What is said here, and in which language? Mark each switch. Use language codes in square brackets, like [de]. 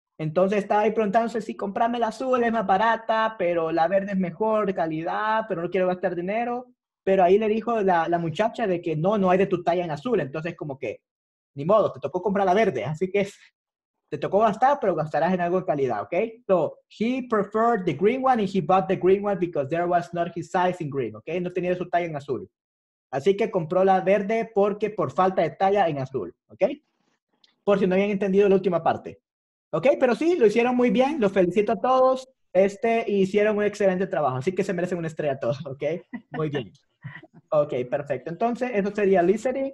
[es] Entonces estaba ahí preguntándose si comprarme el azul es más barata, pero la verde es mejor calidad, pero no quiero gastar dinero. Pero ahí le dijo la muchacha de que no hay de tu talla en azul. Entonces como que, ni modo, te tocó comprar la verde. Así que te tocó gastar, pero gastarás en algo de calidad, ¿ok? [en] So, he preferred the green one and he bought the green one because there was not his size in green, ¿ok? [es] No tenía su talla en azul. Así que compró la verde porque por falta de talla en azul, ¿ok? Por si no habían entendido la última parte. ¿Ok? Pero sí, lo hicieron muy bien. Los felicito a todos. Hicieron un excelente trabajo. Así que se merecen una estrella a todos, ¿ok? Muy bien. Ok, perfecto. Entonces, eso sería listening.